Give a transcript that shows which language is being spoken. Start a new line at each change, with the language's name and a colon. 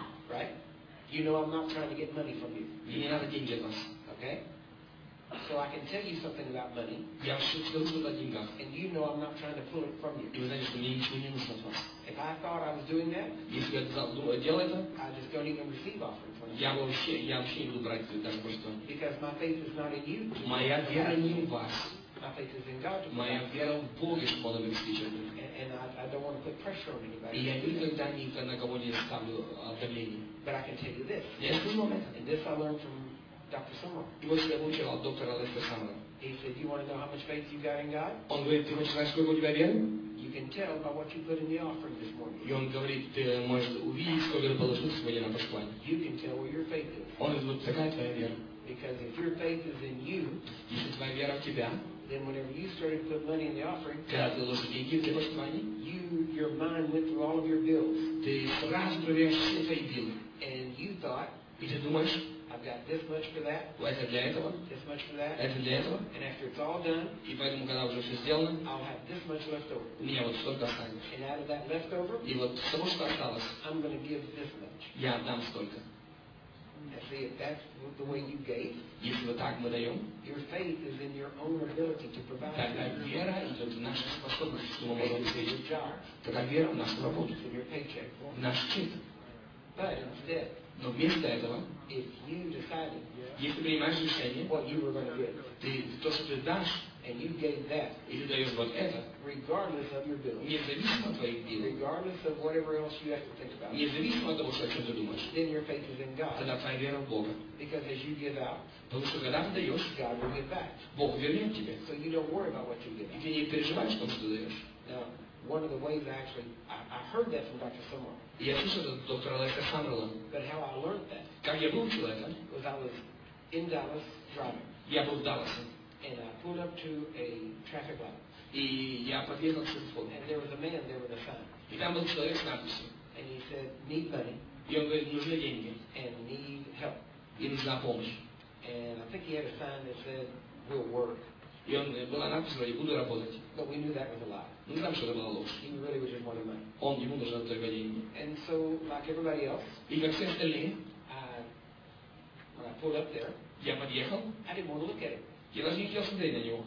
English: Right? You know I'm not trying to get money from you.
Russian: Не надо деньги от вас.
English: Okay. So I can tell you something about money.
Russian: Я все скажу о деньгах.
English: And you know I'm not trying to pull it from you.
Russian: И вы знаете, что мне ничего не нужно от вас.
English: If I thought I was doing that,
Russian: если я задумал делать это,
English: I just don't even receive offerings from you.
Russian: Я вообще не буду брать даже просто.
English: Because my faith is not in you.
Russian: Моя вера не в вас.
English: My faith is in God.
Russian: Моя вера в Боге, чтобы он обрести чем-то.
English: And I don't want to put pressure on anybody.
Russian: И я никогда никогда на кого не ставлю давление.
English: But I can tell you this.
Russian: Я скажу вам это.
English: And this I learned from. Dr. Summer. He said, "Do you want to know how much faith you got in God?"
Russian: Он говорит, ты хочешь знать, сколько у тебя веры?
English: You can tell by what you put in the offering this morning.
Russian: И он говорит, ты можешь увидеть, сколько ты положил сегодня на пожертвование.
English: You can tell where your faith is.
Russian: Он говорит, какая твоя вера?
English: Because if your faith is in you,
Russian: если твоя вера в тебя,
English: then whenever you started to put money in the offering,
Russian: когда ты положил деньги в пожертвование,
English: your mind went through all of your bills.
Russian: Ты сразу проверяешь все твои билы.
English: And you thought,
Russian: и ты думаешь.
English: I've got this much for that.
Russian: Это для этого.
English: This much for that.
Russian: Это для этого.
English: And after it's all done.
Russian: И поэтому, когда уже все сделано.
English: I'll have this much left over.
Russian: У меня вот столько останется.
English: And out of that leftover.
Russian: И вот с того, что осталось.
English: I'm going to give this much.
Russian: Я отдам столько.
English: And see, if that's the way you gave.
Russian: Если вот так мы даем.
English: Your faith is in your own ability to provide.
Russian: Тогда вера идет в нашу способность, что мы можем сделать.
English: Your job.
Russian: Тогда вера в нашу работу.
English: In your paycheck.
Russian: В наш чек.
English: But instead.
Russian: Но вместо этого,
English: if you decided,
Russian: если принимаешь решение,
English: what you were going to get,
Russian: ты то, что ты дашь,
English: and you gave that,
Russian: и ты даешь вот это,
English: regardless of your bills,
Russian: независимо от твоих бил,
English: regardless of whatever else you have to think about,
Russian: независимо от того, что о чем ты думаешь,
English: then your faith is in God,
Russian: тогда твоя вера в Бога.
English: Because as you give out,
Russian: потому что когда ты даешь,
English: God will give back.
Russian: Бог вернет тебе.
English: So you don't worry about what you give out.
Russian: И ты не переживаешь о том, что ты даешь.
English: Now, one of the ways actually, I heard that from Dr. Summer.
Russian: Я слышал это от доктора Лека Саммерла.
English: But how I learned that,
Russian: как я выучил это?
English: Was I was in Dallas driving.
Russian: Я был в Далласе.
English: And I pulled up to a traffic light.
Russian: И я подъехал к светофору.
English: And there was a man there with a sign.
Russian: И там был человек с надписью.
English: And he said, need money.
Russian: И он говорит, нужны деньги.
English: And need help.
Russian: И нужна помощь.
English: And I think he had a sign that said, we'll work.
Russian: И он было написано, я буду работать.
English: But we knew that was a lie.
Russian: Мы знаем, что это была ложь.
English: He really was just wanting money.
Russian: Он ему нужен только деньги.
English: And so, like everybody else,
Russian: и как все остальные,
English: when I pulled up there,
Russian: я подъехал.
English: I didn't want to look at him.
Russian: Я даже не хотел смотреть на него.